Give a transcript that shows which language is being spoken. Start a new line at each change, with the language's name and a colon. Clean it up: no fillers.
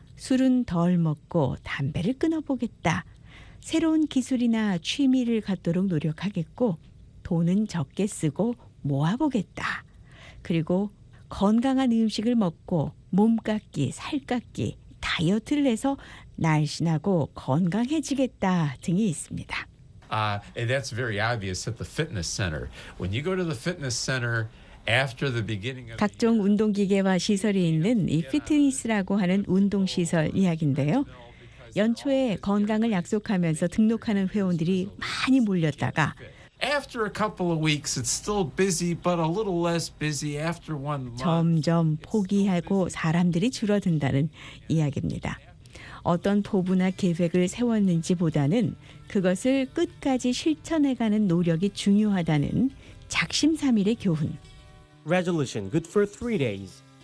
Korean: 술은 덜 먹고 담배를 끊어보겠다. 새로운 기술이나 취미를 갖도록 노력하겠고 돈은 적게 쓰고 모아보겠다. 그리고 건강한 음식을 먹고 몸깎기, 살깎기, 다이어트를 해서 날씬하고 건강해지겠다 등이 있습니다.
English: That's very obvious at the fitness center. When you go to the fitness center after the beginning of
Korean: 각종 운동 기계와 시설이 있는 이 피트니스라고 하는 운동 시설 이야기인데요. 연초에 건강을 약속하면서 등록하는 회원들이 많이 몰렸다가
English: After a couple of weeks, it's still busy, but a little less busy after one month.
Korean: 점점 포기하고 사람들이 줄어든다는 이야기입니다. 어떤 포부나 계획을 세웠는지보다는 그것을 끝까지 실천해가는 노력이 중요하다는 작심삼일의 교훈.
English: Resolution good for three days.